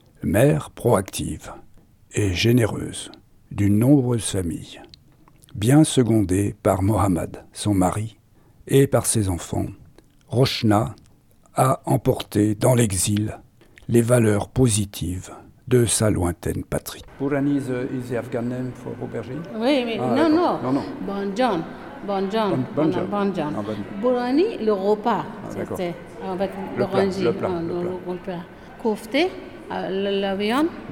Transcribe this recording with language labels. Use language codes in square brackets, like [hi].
[fr] Mère proactive et généreuse d'une nombreuse famille, bien secondée par Mohamed, son mari, et par ses enfants, Roshna a emporté dans l'exil les valeurs positives de sa lointaine patrie. [en] Purani is the Afghan name for aubergine? [fr] Oui, mais non. Bonjour. Burani, le repas, c'était avec l'orangine, le repas. Kofte, la viande.